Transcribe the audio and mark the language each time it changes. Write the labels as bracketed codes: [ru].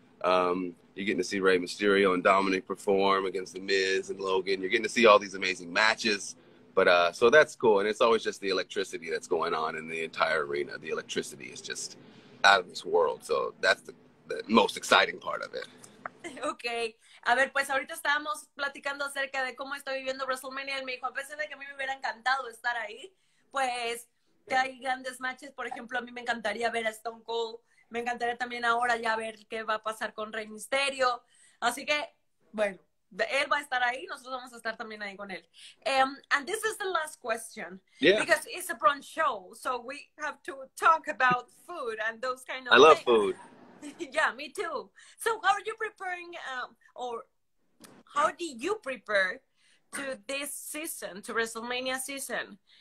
[en] You're getting to see Rey Mysterio and Dominik perform against The Miz and Logan. You're getting to see all these amazing matches. But so that's cool. And it's always just the electricity that's going on in the entire arena. The electricity is just out of this world. So that's the most exciting part of it. Okay. [es] A ver, pues ahorita estábamos platicando acerca de cómo estoy viviendo WrestleMania. Él me dijo, a pesar de que a mí me hubiera encantado estar ahí, pues que hay grandes matches. Por ejemplo, a mí me encantaría ver a Stone Cold. Me encantaría también ahora ya ver qué va a pasar con Rey Mysterio. Así que, bueno, él va a estar ahí. Nosotros vamos a estar también ahí con él. [en] And this is the last question. Yeah. Because it's a brunch show, so we have to talk about food and those kind of things. I love food. Yeah, me too. So how are you preparing, or how do you prepare to this season, to WrestleMania season?